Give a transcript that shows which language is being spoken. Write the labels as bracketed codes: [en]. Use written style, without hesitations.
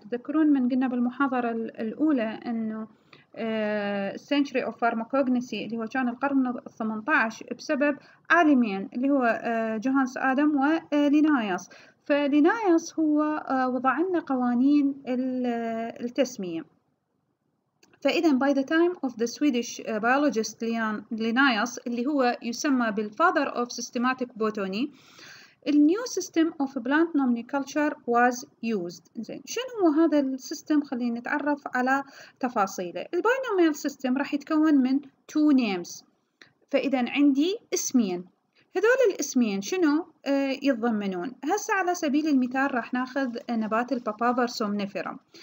[ar] تذكرون من قلنا بالمحاضرة الأولى أنه [en] century of pharmacognosy [ar] اللي هو كان القرن 18 بسبب عالمين اللي هو جوهانس آدم وليناياس. فليناياس هو وضع لنا قوانين التسمية. فإذا [en] by the time of the Swedish biologist Linnaeus [ar] اللي هو يسمى بال [en] father of systematic botany, the new system of plant nomenclature was used. [ar] زين شنو هو هذا السيستم؟ خلينا نتعرف على تفاصيله. البينوميال سيستم راح يتكون من two names. فإذا عندي اسمين, هذول الاسمين شنو يتضمنون؟ هسه على سبيل المثال راح ناخذ نبات البابابر سومنيفيرم.